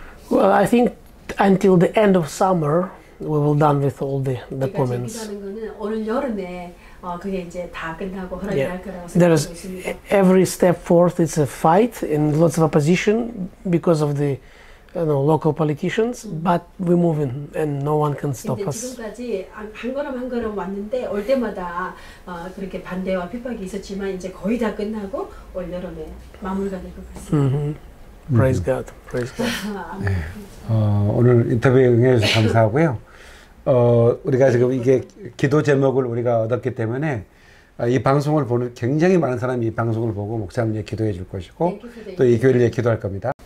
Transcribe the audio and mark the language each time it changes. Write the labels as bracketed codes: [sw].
[en] Well, I think until the end of summer, we will done with all the documents. [ko] 제가 얘기하는 거는 올 여름에 그게 이제 다 끝나고 허락이 할 거라고 생각하고 [en] There is isn't. Every step forth is a fight and lots of opposition because of the local politicians. But we're moving and no one can stop us. [ko] 지금까지 한 걸음 한 걸음 왔는데 올 때마다 그렇게 반대와 핍박이 있었지만 이제 거의 다 끝나고 올 여름에 마무리가 될 것 같습니다. [en] Mm-hmm. Praise God. Praise God. [ko] 네. 오늘 인터뷰에 응해주셔서 감사하고요. 우리가 지금 이게 기도 제목을 우리가 얻었기 때문에 이 방송을 보는 굉장히 많은 사람이 이 방송을 보고 목사님께 기도해 줄 것이고 또 이 교회를 위해 기도할 겁니다.